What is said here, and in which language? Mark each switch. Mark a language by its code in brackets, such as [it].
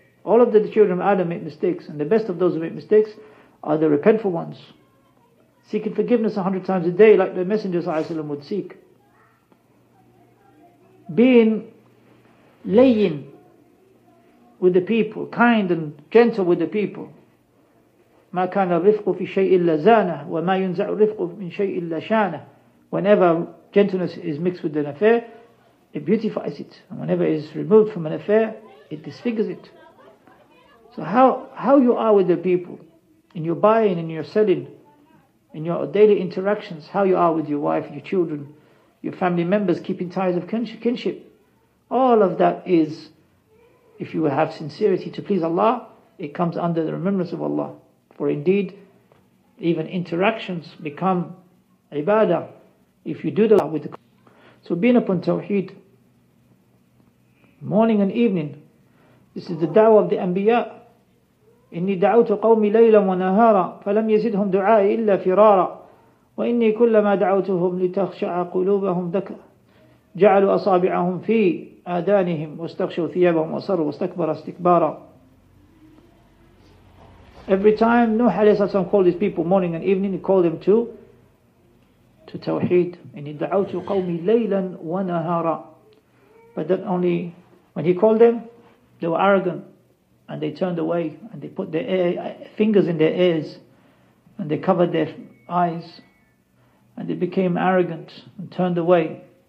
[en] All of the children of Adam make mistakes, and the best of those who make mistakes are the repentful ones, seeking forgiveness 100 times a day, like the Messenger ﷺ would seek. Being layin with the people, kind and gentle with the people. [ar] ما كان الرفق في شيء إلا زانة وما ينزع الرفق من شيء إلا شانة. [en] Whenever gentleness is mixed with an affair, it beautifies it. And whenever it is removed from an affair, it disfigures it. So how you are with the people, in your buying, in your selling, in your daily interactions, how you are with your wife, your children, your family members, keeping ties of kinship. All of that is, if you have sincerity to please Allah, it comes under the remembrance of Allah. For indeed, even interactions become ibadah if you do that with the... So being upon tawheed, morning and evening, this is the da'wah of the anbiya. [ar] إني دعوت قومي ليلا ونهارا فلم يزدهم دعائي إلا فرارا وإني كلما دعوتهم لتخشع قلوبهم ذكر جعلوا أصابعهم في آذانهم واستغشوا ثيابهم وصروا واستكبر استكبارا. [en] Every time Nuh [ar] عليه الصلاة والسلام [en] called his people morning and evening, he called them to tawheed. [ar] إني دعوت قومي ليلا ونهارا. [en] But then only when he called them, they were arrogant. And they turned away and they put their fingers in their ears and they covered their eyes and they became arrogant and turned away.